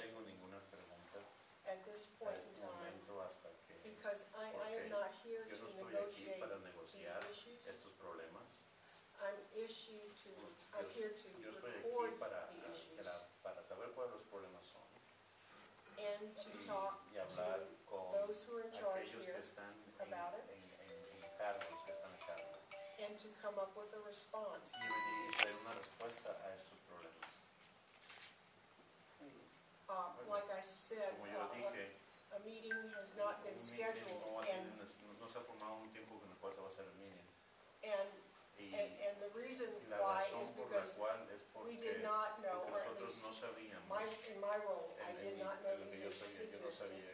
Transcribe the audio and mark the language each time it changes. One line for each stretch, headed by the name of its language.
Spanish: No tengo ninguna pregunta.
English: At this point in time.
Spanish: Hasta el momento hasta que.
English: Because I am not here to negotiate these issues.
Spanish: Yo no estoy aquí para negociar estos problemas.
English: I'm issued to, I'm here to record the issues.
Spanish: Para saber cuáles los problemas son.
English: And to talk to those who are in charge here about it.
Spanish: En cargos que están a cargo.
English: And to come up with a response.
Spanish: Y dar una respuesta a estos problemas.
English: Like I said, a meeting has not been scheduled and.
Spanish: No se ha formado un tiempo con el cual se va a hacer el meeting.
English: And the reason why is because we did not know, or at least in my role, I did not know these issues existed.